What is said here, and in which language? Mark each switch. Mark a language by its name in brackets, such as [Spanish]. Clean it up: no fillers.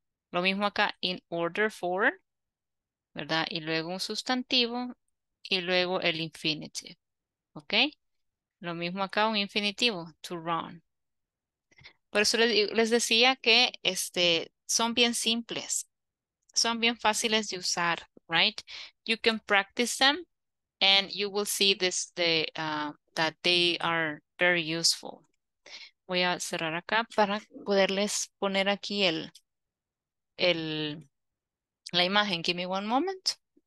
[Spanish] Lo mismo acá, in order for, ¿verdad? Y luego un sustantivo, y luego el infinitive, ¿ok? Lo mismo acá, un infinitivo, to run. Por eso les decía que son bien simples. Son bien fáciles de usar, right? [English] You can practice them and you will see that they are very useful. [Spanish] Voy a cerrar acá para poderles poner aquí la imagen. [English] Give me one moment.